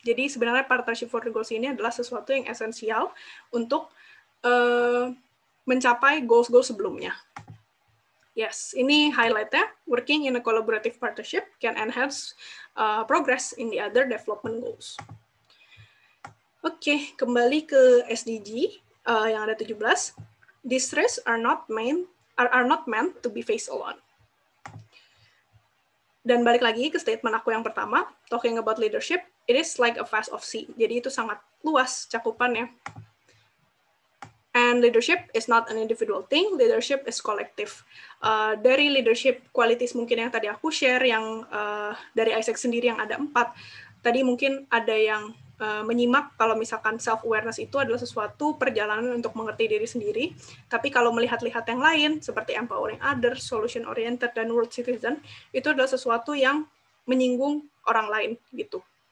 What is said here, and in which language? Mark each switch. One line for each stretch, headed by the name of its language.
Indonesian: Jadi sebenarnya Partnership for the Goals ini adalah sesuatu yang esensial untuk mencapai goals-goals sebelumnya.
English: Yes,
Indonesian: ini highlight-nya.
English: Working in a collaborative partnership can enhance progress in the other development goals.
Indonesian: Okay, kembali ke SDG yang ada 17.
English: These risks are not meant to be faced alone.
Indonesian: Dan balik lagi ke statement aku yang pertama,
English: talking about leadership, it is like a vast of sea.
Indonesian: Jadi itu sangat luas cakupannya.
English: And leadership is not an individual thing, leadership is collective.
Indonesian: Dari leadership qualities mungkin yang tadi aku share, yang dari Isaac sendiri yang ada empat, tadi mungkin ada yang menyimak kalau misalkan self-awareness itu adalah sesuatu perjalanan untuk mengerti diri sendiri, tapi kalau melihat-lihat yang lain, seperti empowering others, solution-oriented, dan world citizen, itu adalah sesuatu yang menyinggung orang lain, gitu.